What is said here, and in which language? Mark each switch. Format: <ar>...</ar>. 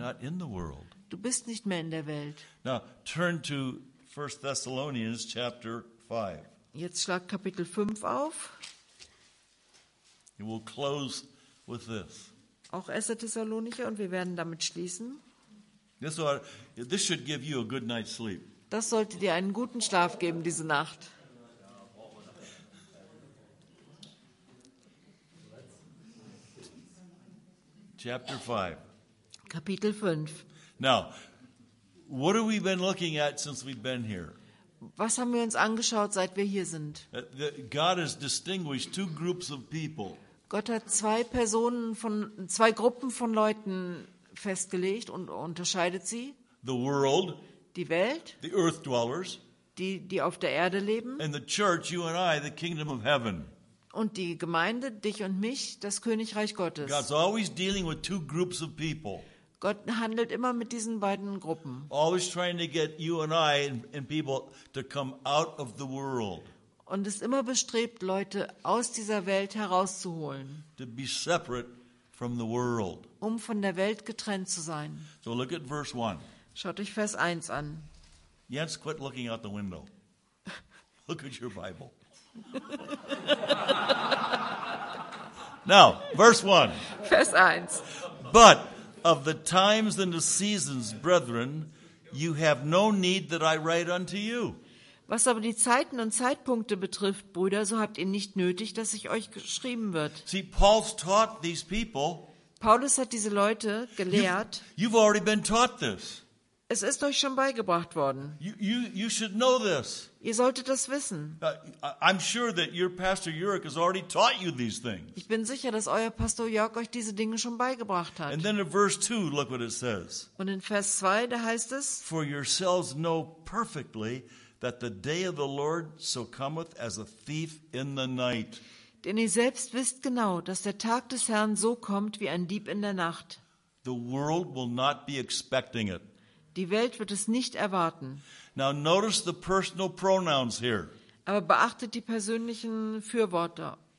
<en>You're not in the world.</en> <de>Du bist nicht mehr in der Welt.</de> <en>Now turn to 1 Thessalonians chapter 5.</en> <de>Jetzt schlag Kapitel 5 auf.</de> <en>We will close with this.</en> <de>Auch 1. Thessalonicher und wir werden damit schließen.</de> <en>This should give you a good night's sleep.</en> <de>Das sollte dir einen guten Schlaf geben diese Nacht.</de> <en>Chapter 5.</en> <de>Kapitel 5.</de> <en>Now, what have we been looking at since we've been here?</en> <de>Was haben wir uns angeschaut, seit wir hier sind?</de> <en>God has distinguished two groups of people.</en> <de>Gott hat zwei Gruppen von Leuten festgelegt und unterscheidet sie.</de> <en>The world,</en> <de>die Welt,</de> <en>the earth dwellers,</en> <de>die auf der Erde leben,</de> <en>and the church, you and I, the kingdom of heaven.</en> <de>Und die Gemeinde, dich und mich, das Königreich Gottes.</de> <en>God's always dealing with two groups of people.</en> <de>Gott handelt immer mit diesen beiden Gruppen.</de> <en>Always trying to get you and I and people to come out of the world.</en> <de>Und ist immer bestrebt, Leute aus dieser Welt herauszuholen.</de> <en>To be separate from the world.</en> <de>Um von der Welt getrennt zu sein.</de> <en>So look at verse 1.</en> <de>Schaut euch Vers 1 an.</de> <en>Jens, quit looking out the window. Look at your Bible. Now, verse 1.</en> <de>Vers 1.</de> <en>But of the times and the seasons, brethren, you have no need that I write unto you.</en> <de>Was aber die Zeiten und Zeitpunkte betrifft, Brüder, so habt ihr nicht nötig, dass ich euch geschrieben wird.</de> <en>See, Paul's taught these people.</en> <de>Paulus hat diese Leute gelehrt.</de> <en>You've already been taught this.</en> <de>Es ist euch schon beigebracht worden.</de> <en>You should know this.</en> <de>Ihr solltet das wissen.</de> <en>I'm sure that your pastor Jörg has already taught you these things.</en> <de>Ich bin sicher, dass euer Pastor Jörg euch diese Dinge schon beigebracht hat.</de> <en>And then in verse 2, look what it says.</en> <de>Und in Vers 2, da heißt es,</de> <en>for yourselves know perfectly that the day of the Lord so cometh as a thief in the night.</en> <de>Denn ihr selbst wisst genau, dass der Tag des Herrn so kommt wie ein Dieb in der Nacht.</de> <en>The world will not be expecting it.</en> <de>Die Welt wird es nicht erwarten.</de> <en>Now notice the personal pronouns here.</en> <de>Aber beachtet die persönlichen Fürworte.</de>